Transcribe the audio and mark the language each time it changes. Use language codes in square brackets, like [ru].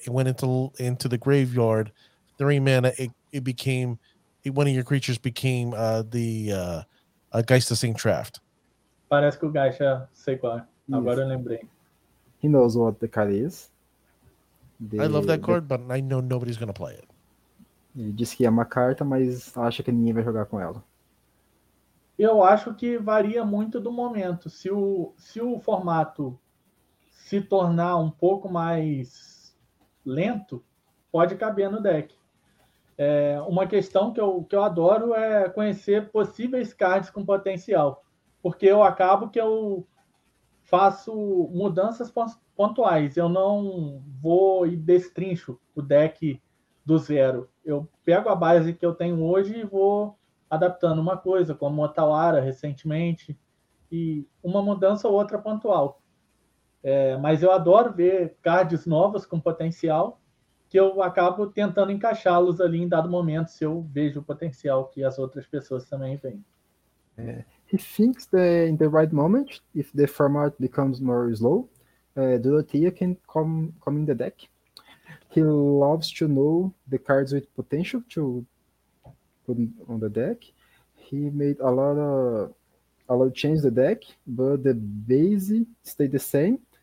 [en] It went into the graveyard, 3 mana. One of your creatures became the Geist of St. Traft. [pt] Parece que o Geisha, sei qual. [en] Yes. [pt] Agora eu lembrei. [en] He knows what the card is. I love that card, but I know nobody's gonna play it. [pt] Ele disse que é uma carta, mas acha que ninguém vai jogar com ela. Eu acho que varia muito do momento. Se o formato se tornar um pouco mais lento, pode caber no deck. Uma questão que eu adoro é conhecer possíveis cards com potencial, porque eu acabo que eu faço mudanças pontuais, eu não vou e destrincho o deck do zero. Eu pego a base que eu tenho hoje e vou adaptando uma coisa, como a Talara recentemente, e uma mudança ou outra pontual. Mas eu adoro ver cards novas com potencial, que eu acabo tentando encaixá-los ali em dado momento, se eu vejo o potencial que as outras pessoas também veem. [en] He thinks that in the right moment, if the format becomes more slow, Dorothea can come in the deck. He loves to know the cards with potential to put on the deck. He made a lot of change the deck, but the base stayed the same.